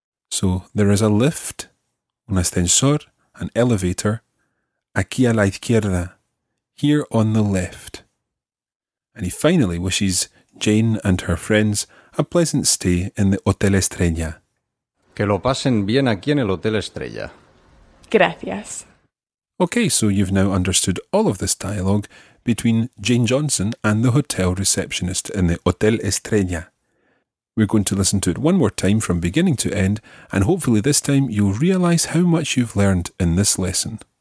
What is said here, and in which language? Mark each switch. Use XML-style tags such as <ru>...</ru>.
<en>So, there is a lift,</en> <es>un ascensor,</es> <en>an elevator,</en> <es>aquí a la izquierda.</es> <en>Here on the left. And he finally wishes Jane and her friends a pleasant stay in the Hotel Estrella.</en> <es>Que lo pasen bien aquí en el Hotel Estrella. Gracias.</es> <en>Okay, so you've now understood all of this dialogue between Jane Johnson and the hotel receptionist in the Hotel Estrella. We're going to listen to it one more time from beginning to end, and hopefully this time you'll realise how much you've learned in this lesson.</en>